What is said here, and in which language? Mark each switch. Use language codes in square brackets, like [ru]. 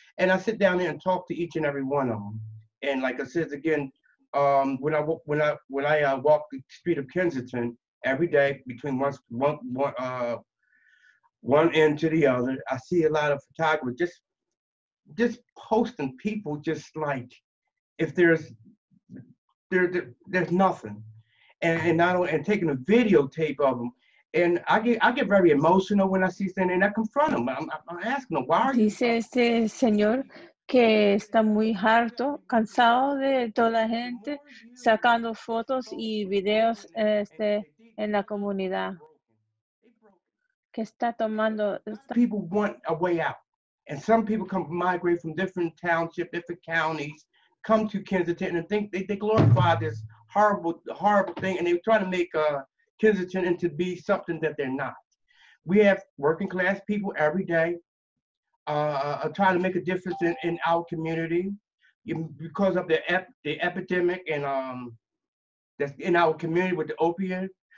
[en] And I sit down there and talk to each and every one of them. And like I said, again, when I walk the street of Kensington every day between one end to the other, I see a lot of photographers just posting people just like if there's nothing. And taking a videotape of them. And I get very emotional when I see something and I confront them. I'm asking them, why are you? [es] Dice este señor que está muy harto, cansado de toda la gente sacando fotos y videos en la comunidad. Que está tomando. [en] People want a way out. And some people come migrate from different townships, different counties, come to Kensington and think they glorify this horrible thing. And they try to make Kensington into be something that they're not. We have working class people every day trying to make a difference in our community because of the epidemic and that's in our community with the opiate.